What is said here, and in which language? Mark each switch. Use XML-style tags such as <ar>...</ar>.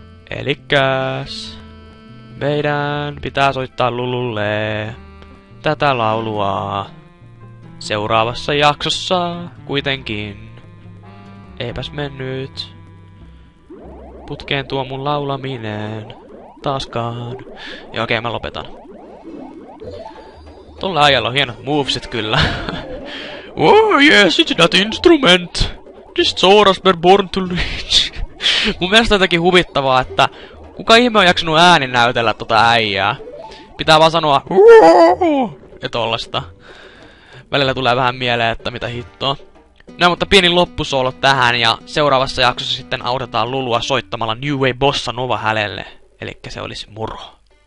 <fi>Elikkäs, meidän pitää soittaa Lululle tätä laulua seuraavassa jaksossa kuitenkin. Eipäs mennyt putkeen tuo mun laulaminen taaskaan. Ja okei, mä lopetan. Tolle ajalla on hienot movesit kyllä.</fi> <en>Oh yes, it's that instrument! This Zoras were born to reach.</en> <fi>Mun mielestä on jotenkin huvittavaa, että kuka ihme on jaksanut ääni näytellä tota äijää? Pitää vaan sanoa ja tollasta. Välillä tulee vähän mieleen, että mitä hittoa. No, mutta pieni loppusoolo tähän ja seuraavassa jaksossa sitten autetaan Lulua soittamalla New Way Bossa Nova hälelle. Elikkä se olisi murho.</fi>